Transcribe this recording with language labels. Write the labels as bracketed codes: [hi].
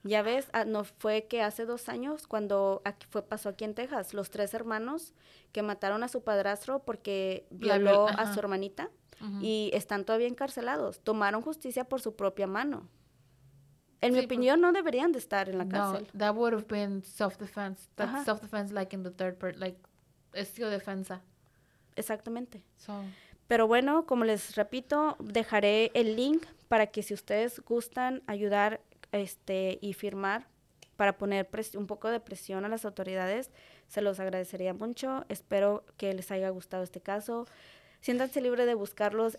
[es] Ya ves, no fue que hace 2 años, cuando pasó aquí en Texas, los 3 hermanos que mataron a su padrastro porque violó a su hermanita uh-huh. y están todavía encarcelados. Tomaron justicia por su propia mano. En mi opinión, no deberían de estar en la cárcel. No, [en] that would have been self-defense. That's uh-huh. self-defense like in the third part, like... [es] Estilo defensa. Exactamente. [en] So. [es] Pero bueno, como les repito, dejaré el link para que si ustedes gustan ayudar y firmar para poner un poco de presión a las autoridades, se los agradecería mucho. Espero que les haya gustado este caso. Siéntanse libre de buscarlos.